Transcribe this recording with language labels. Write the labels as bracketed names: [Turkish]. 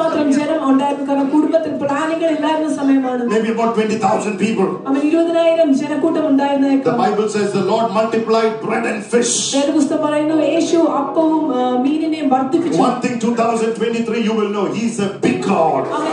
[Malayalam] കുടുംബത്തിൽ പ്ലാനിംഗ് ഇല്ലായിരുന്ന സമയമാണ് [English] maybe about 20,000 people [Malayalam] അവര് 20,000 ജനക്കൂട്ടം ഉണ്ടായിരുന്നേക്കും [English] the bible says the lord multiplied bread and fish [Malayalam] ദൈവസ്ഥ പറയുന്നു യേശു അപ്പവും മീനിനെയും വർദ്ധിപ്പിച്ചു [English] one thing 2023 you will know he is a big god